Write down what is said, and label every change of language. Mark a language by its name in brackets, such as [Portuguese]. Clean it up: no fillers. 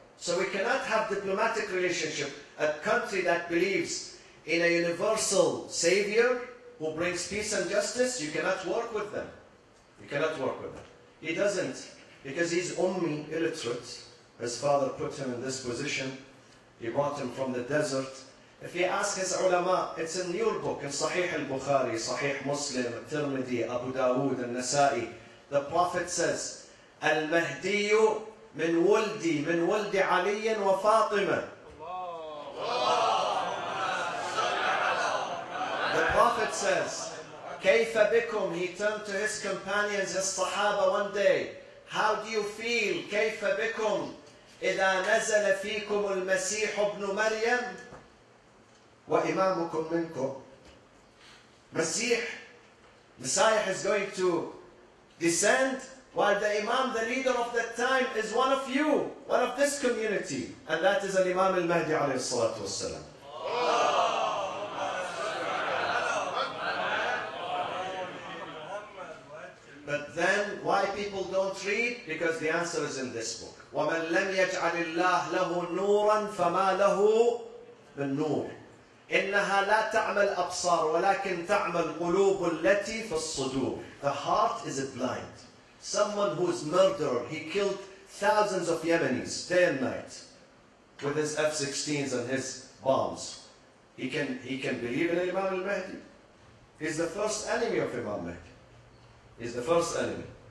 [English] So we cannot have diplomatic relationship. A country that believes in a universal savior who brings peace and justice, you cannot work with them. You cannot work with them. He doesn't, because he's ummi, illiterate. His father put him in this position. He brought him from the desert. If you ask his ulama, it's in your book, in Sahih al-Bukhari, Sahih Muslim, Tirmidhi, Abu Dawood, and Nasa'i. The Prophet says, [Arabic] المهدي من ولدي من ولد علي وفاطمة. الله الله [English] prophet says, [Arabic] كَيْفَ بِكُمْ [English] He turned to his companions, his Sahaba one day. How do you feel? [Arabic] كَيْفَ بِكُمْ إِذَا نَزَلَ فِيكُمُ الْمَسِيحُ ابْنُ مَرْيَمْ وَإِمَامُكُمْ مِنْكُمْ [English] Messiah, Messiah is going to descend while the Imam, the leader of that time, is one of you, one of this community. And that is Al-Imam Al-Mahdi alayhi salatu wasalam. But then, why people don't read? Because the answer is in this book. [Arabic] وَمَنْ لَمْ يَجْعَلِ اللَّهُ لَهُ نُورًا فَمَا لَهُ مِنْ نُورٍ إِنَّهَا لَا تَعْمَ الْأَبْصَارُ وَلَكِنْ تَعْمَ الْقُلُوبُ الَّتِي فِي الصُّدُورِ [English] The heart is blind. Someone who is murderer, he killed thousands of Yemenis, day and night, with his F-16s and his bombs. He can believe in Imam al-Mahdi. He's the first enemy of Imam Mahdi. He's the first enemy.